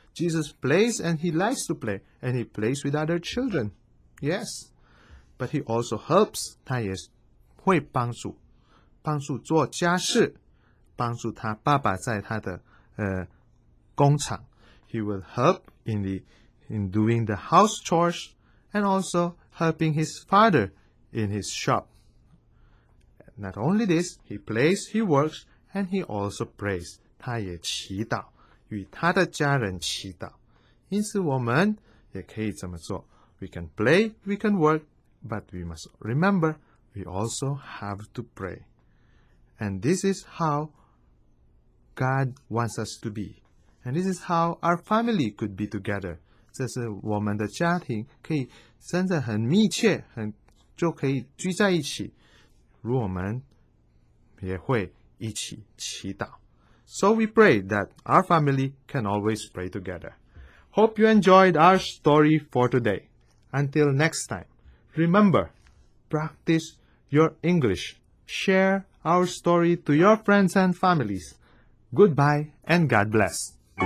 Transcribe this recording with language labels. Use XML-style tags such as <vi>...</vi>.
<en>Jesus plays and he likes to play and he plays with other children. Yes, but he also helps.</en> <zh>他也会帮助，帮助做家事，帮助他爸爸在他的工厂。</zh> <en>He will help in doing the house chores and also helping his father in his shop. Not only this, he plays, he works. And he also prays.</en> <zh>他也祈祷，与他的家人祈祷。因此我们也可以这么做。</zh> <en>We can play, we can work, but we must remember, we also have to pray. And this is how God wants us to be. And this is how our family could be together.</en> <zh>这是我们的家庭可以真的很密切，很就可以聚在一起。如我们也会一起祈祷。</zh> <en>So we pray that our family can always pray together. Hope you enjoyed our story for today. Until next time, remember, practice your English. Share our story to your friends and families. Goodbye and God bless.</en>